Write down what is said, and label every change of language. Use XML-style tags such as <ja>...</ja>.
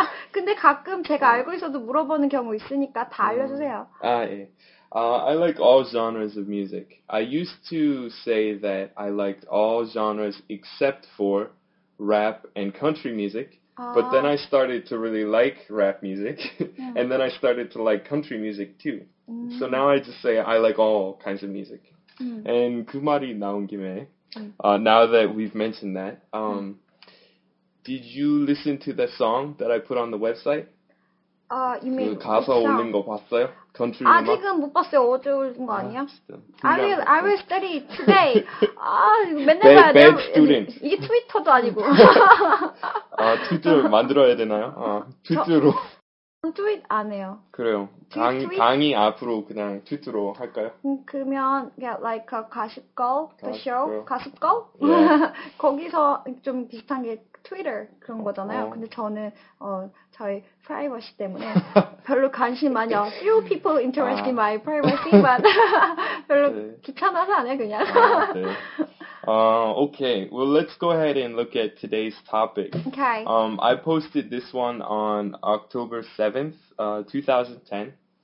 <ko>근데 가끔 제가 알고 있어도 물어보는 경우 있으니까 다 알려주세요.</ko> <en>I like all genres of music. I used to say that I liked all genres except for rap and country music. But then I started to really like rap music. And then I started to like country music too. So now I just say I like all kinds of music. And</en> <ko>그 말이 나온 김에,</ko> <en>now that we've mentioned that, did you listen to the song that I put on the website? You mean</en> <ko>그 가사 올린 거 봤어요? Country 아, 음악? 아직은 못 봤어요. 어제 올린 거 아니야? 아,</ko> <en>I will study today.</en> <ko>아, 맨날</ko> <en>bad,</en> <ko>봐야 돼요.</ko> <en>Bad student.</en> <ko>이게 트위터도 아니고. 아, 트위터 만들어야 되나요? 아, 트위터로. 트윗 안 해요. 그래요. 강의 앞으로 그냥 트윗으로 할까요? 그러면</ko> <en>yeah, like a gossip girl, the show, gossip girl. Yeah.</en> <ko>거기서 좀 비슷한 게 트위터 그런 거잖아요. 근데 저는 저희 프라이버시 때문에 별로 관심 많이 없어요.</ko> <en>Few people interested in my privacy, but</en> <ko>별로 네. 귀찮아서 안 해요, 그냥.</ko> <en>Okay, well, let's go ahead and look at today's topic. Okay. I posted this one on October 7th, 2010.</en>